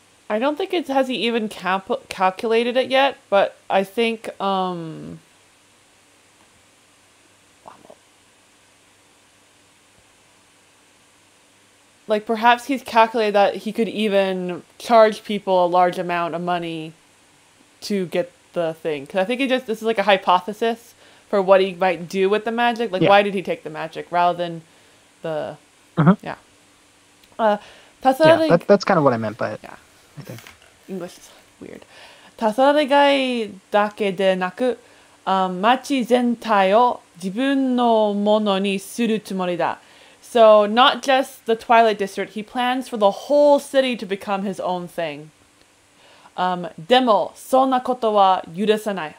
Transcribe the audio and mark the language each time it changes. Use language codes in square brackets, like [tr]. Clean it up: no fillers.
[en] I don't think has he even calculated it yet, but I think, like, perhaps he's calculated that he could even charge people a large amount of money to get the thing. Because I think this is like a hypothesis for what he might do with the magic. Like, why did he take the magic rather than the, That's kind of what I meant by it. Yeah. English is weird. [ja] たそれがいだけでなく、町全体を自分のものにするつもりだ。 [en] So, not just the Twilight District, he plans for the whole city to become his own thing. [ja] でも、そんなことは許さない。